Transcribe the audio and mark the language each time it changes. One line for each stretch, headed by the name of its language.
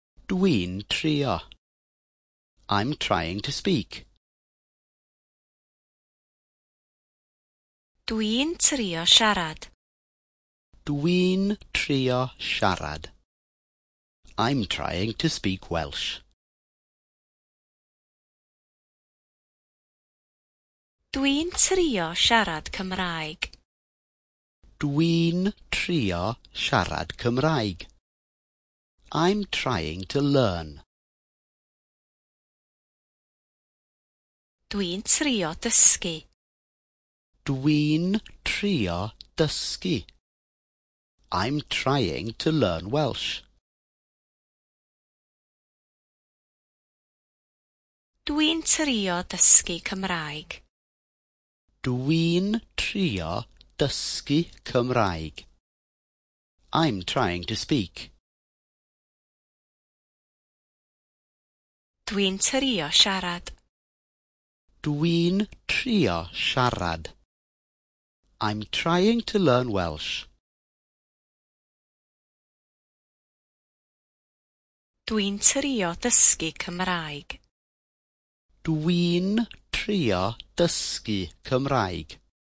Welsh: Dwi'n trio.
English: I'm trying to speak.
Welsh: Dwi'n trio siarad. Dwi'n trio siarad.
English: I'm trying to speak Welsh.
Welsh: Dwi'n trio siarad Cymraeg. Dwi'n trio siarad Cymraeg.
English: I'm trying to learn.
Welsh: Dwi'n trio dysgu. Dwi'n trio dysgu.
English: I'm trying to learn Welsh.
Welsh: Dwi'n trio dysgu Cymraeg. Dwi'n trio dysgu Cymraeg.
English: I'm trying to speak.
Welsh: Dwi'n trio siarad. Dwi'n trio siarad.
English: I'm trying to learn Welsh.
Welsh: Dwi'n trio dysgu Cymraeg. Dwi'n trio dysgu Cymraeg.